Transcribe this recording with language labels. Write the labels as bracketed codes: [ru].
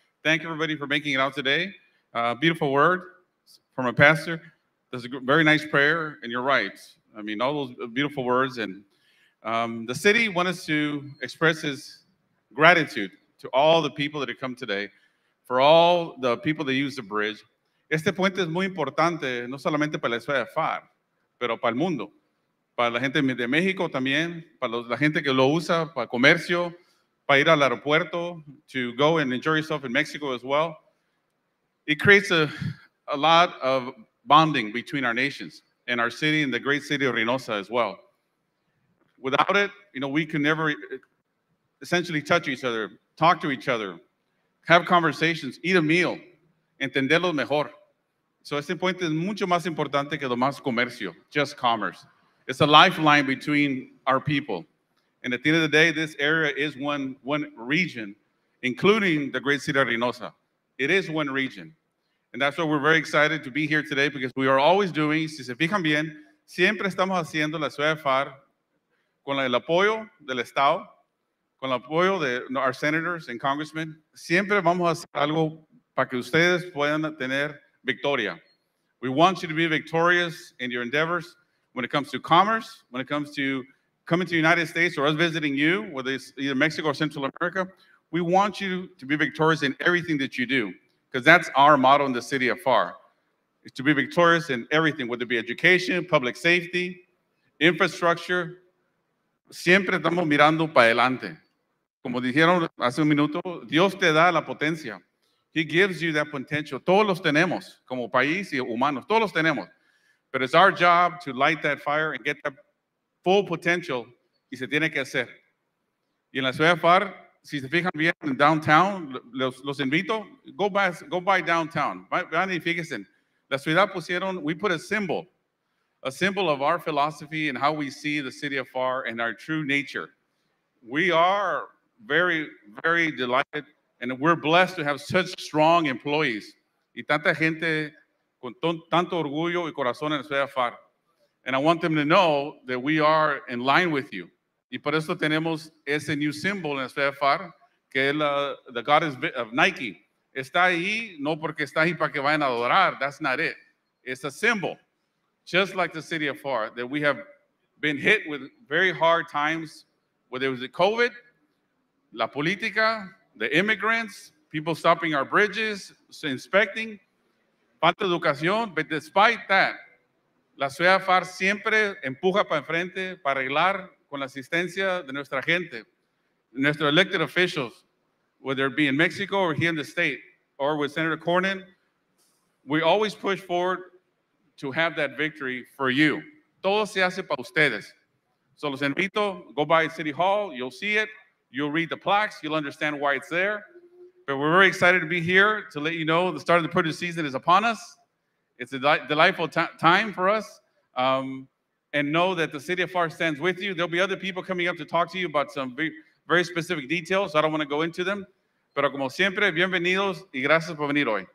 [en] Thank you, everybody, for making it out today. Beautiful word from a pastor. That's a very nice prayer, and you're right. I mean, all those beautiful words. And the city wants to express his gratitude to all the people that have come today, for all the people that use the bridge. [es] Este puente es muy importante, no solamente para la ciudad de Far, pero para el mundo. para la gente de México también, para los, la gente que lo usa para comercio, para ir al aeropuerto, [en] to go and enjoy yourself in Mexico as well. It creates a lot of bonding between our nations and our city and the great city of Reynosa as well. Without it, you know, we can never essentially touch each other, talk to each other, have conversations, eat a meal, [es] entenderlo mejor. So este puente es mucho más importante que lo más comercio, [en] just commerce. It's a lifeline between our people. And at the end of the day, this area is one region, including the great city of Reynosa. It is one region. And that's why we're very excited to be here today, because we are always doing, [es] si se fijan bien, siempre estamos haciendo la ciudad de FAR con el apoyo del Estado, con el apoyo de [en] our senators and congressmen. [es] Siempre vamos a hacer algo para que ustedes puedan tener victoria. [en] We want you to be victorious in your endeavors when it comes to commerce, when it comes to coming to the United States or us visiting you, whether it's either Mexico or Central America. We want you to be victorious in everything that you do, because that's our motto in the city of FAR, is to be victorious in everything, whether it be education, public safety, infrastructure. [es] Siempre estamos mirando para adelante. Como dijeron hace un minuto, Dios te da la potencia. [en] He gives you that potential. [es] Todos los tenemos, como país y humanos, todos los tenemos. [en] But it's our job to light that fire and get that full potential, [es] y se tiene que hacer. Y en la ciudad de FAR, si se fijan bien en downtown, los invito, [en] go by downtown. [es] Vean y fíjense. La ciudad pusieron, [en] we put a symbol of our philosophy and how we see the city of FAR and our true nature. We are very, very delighted, and we're blessed to have such strong employees. [es] Y tanta gente con tanto orgullo y corazón en la ciudad de FAR. [en] And I want them to know that we are in line with you. [es] Y por eso tenemos ese [en] new symbol [es] en la ciudad de FAR, que es [en] the goddess of Nike. [es] Está ahí, no porque está ahí para que vayan a adorar. [en] That's not it. It's a symbol, just like the city of FAR, that we have been hit with very hard times, whether it was the COVID, [es] la política, [en] the immigrants, people stopping our bridges, inspecting, [es] falta educación. [en] But despite that, [es] la ciudad de FAR siempre empuja para enfrente, para arreglar con la asistencia de nuestra gente, nuestros [en] elected officials, whether it be in Mexico or here in the state, or with Senator Cornyn, we always push forward to have that victory for you. [es] Todo se hace para ustedes. [en] So [es] los invito, [en] go by City Hall, you'll see it, you'll read the plaques, you'll understand why it's there. But we're very excited to be here to let you know the start of the produce season is upon us. It's a delightful time for us. And know that the city of FAR stands with you. There'll be other people coming up to talk to you about some very specific details. So I don't want to go into them. [es] Pero como siempre, bienvenidos y gracias por venir hoy.